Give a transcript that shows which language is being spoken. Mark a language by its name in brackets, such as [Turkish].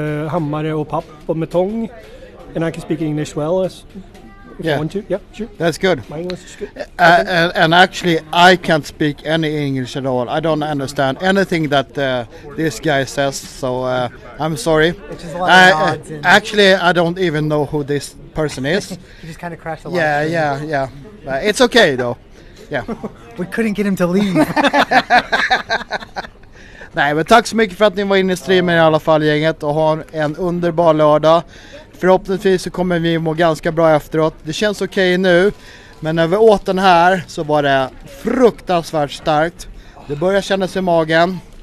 [Swedish] Hammare och papp och metong. [English] And I can speak English well. Yeah, that's good. My English is good. And actually, I can't speak any English at all. I don't understand anything that this guy says, so I'm sorry. Actually, I don't even know who this person is. He just kind of crashed the Yeah, line. Yeah, yeah. But it's okay, though. Yeah. We couldn't get him to leave. [Swedish] Nej, men tack så mycket för att ni var inne i streamen i alla fall, gänget, och ha en underbar lördag. Förhoppningsvis så kommer vi må ganska bra efteråt. Det känns okej nu, men när vi åt den här så var det fruktansvärt starkt. Det börjar kännas i magen.